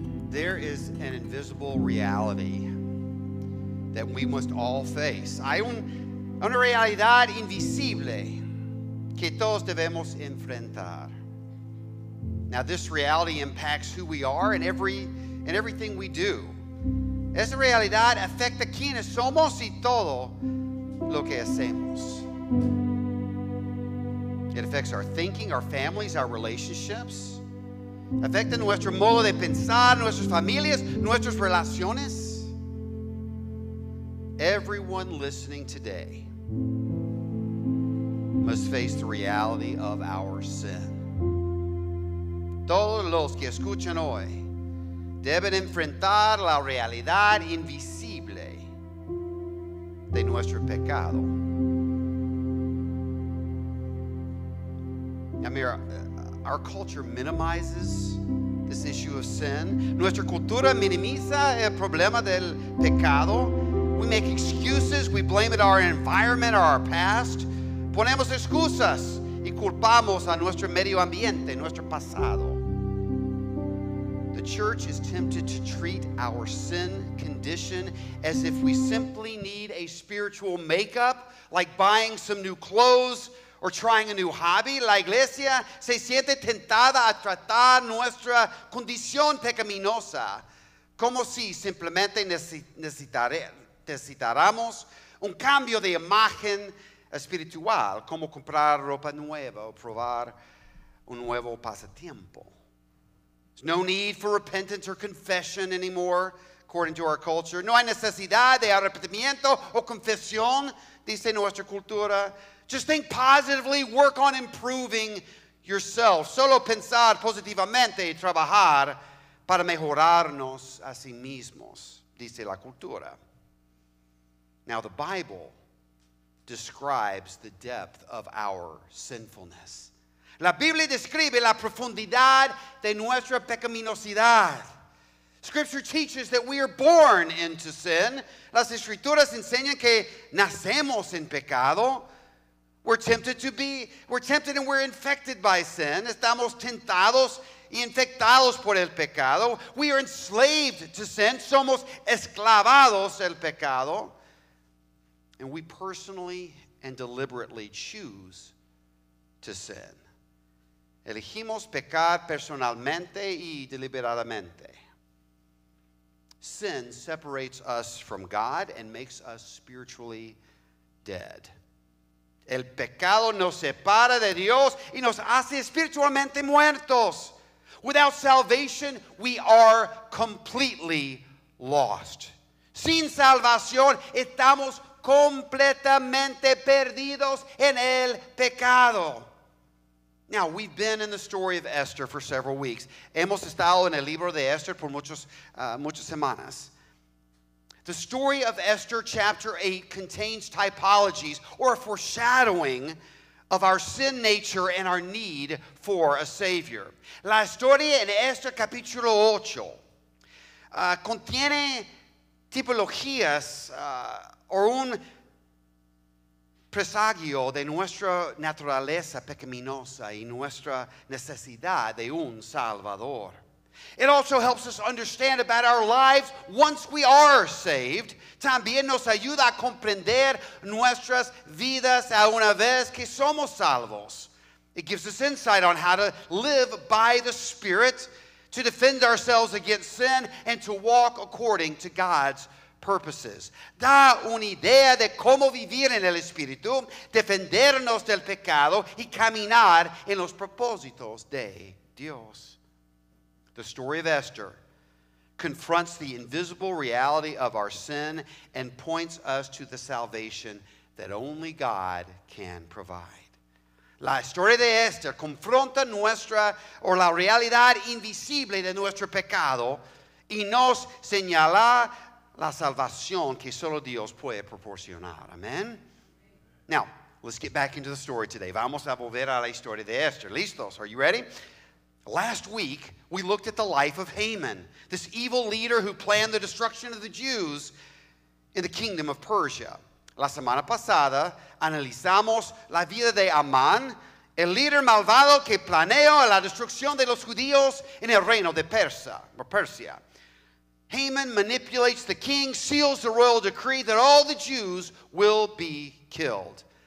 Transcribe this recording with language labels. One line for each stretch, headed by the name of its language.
English: there is an invisible reality that we must all face.
Spanish: Hay una realidad invisible que todos debemos enfrentar.
English: Now, this reality impacts who we are and everything we do.
Spanish: Esa realidad afecta quiénes somos y todo lo que hacemos.
English: It affects our thinking, our families, our relationships.
Spanish: Afecta nuestro modo de pensar, nuestras familias, nuestras relaciones.
English: Everyone listening today must face the reality of our sin.
Spanish: Todos los que escuchan hoy deben enfrentar la realidad invisible de nuestro pecado.
English: Amir, our culture minimizes this issue of sin.
Spanish: Nuestra cultura minimiza el problema del pecado.
English: We make excuses. We blame it our environment or our past.
Spanish: Ponemos excusas y culpamos a nuestro medio ambiente, nuestro pasado.
English: The church is tempted to treat our sin condition as if we simply need a spiritual makeup, like buying some new clothes or trying a new hobby.
Spanish: La iglesia se siente tentada a tratar nuestra condición pecaminosa como si simplemente necesitáramos un cambio de imagen espiritual, como comprar ropa nueva o probar un nuevo pasatiempo.
English: There's no need for repentance or confession anymore, according to our culture.
Spanish: No hay necesidad de arrepentimiento o confesión, dice nuestra cultura.
English: Just think positively, work on improving yourself.
Spanish: Solo pensar positivamente y trabajar para mejorarnos a sí mismos, dice la cultura.
English: Now, the Bible describes the depth of our sinfulness.
Spanish: La Biblia describe la profundidad de nuestra pecaminosidad.
English: Scripture teaches that we are born into sin.
Spanish: Las escrituras enseñan que nacemos en pecado.
English: We're tempted and we're infected by sin.
Spanish: Estamos tentados y infectados por el pecado.
English: We are enslaved to sin.
Spanish: Somos esclavados del pecado.
English: And we personally and deliberately choose to sin.
Spanish: Elegimos pecar personalmente y deliberadamente.
English: Sin separates us from God and makes us spiritually dead.
Spanish: El pecado nos separa de Dios y nos hace espiritualmente muertos.
English: Without salvation, we are completely lost.
Spanish: Sin salvación, estamos completamente perdidos en el pecado.
English: Now, we've been in the story of Esther for several weeks.
Spanish: Hemos estado en el libro de Esther por muchas semanas.
English: The story of Esther chapter 8 contains typologies or a foreshadowing of our sin nature and our need for a Savior.
Spanish: La historia en Esther capítulo 8 contiene tipologías or un presagio de nuestra naturaleza pecaminosa y nuestra necesidad de un Salvador.
English: It also helps us understand about our lives once we are saved.
Spanish: También nos ayuda a comprender nuestras vidas a una vez que somos salvos.
English: It gives us insight on how to live by the Spirit, to defend ourselves against sin, and to walk according to God's purposes.
Spanish: Da una idea de cómo vivir en el Espíritu, defendernos del pecado, y caminar en los propósitos de Dios.
English: The story of Esther confronts the invisible reality of our sin and points us to the salvation that only God can provide.
Spanish: La historia de Esther confronta la realidad invisible de nuestro pecado y nos señala la salvación que solo Dios puede proporcionar.
English: Amen? Now, let's get back into the story today.
Spanish: Vamos a volver a la historia de Esther. ¿Listos?
English: Are you ready? Last week, we looked at the life of Haman, this evil leader who planned the destruction of the Jews in the kingdom of Persia.
Spanish: La semana pasada, analizamos la vida de Amán, el líder malvado que planeó la destrucción de los judíos en el reino de Persia.
English: Haman manipulates the king, seals the royal decree that all the Jews will be killed.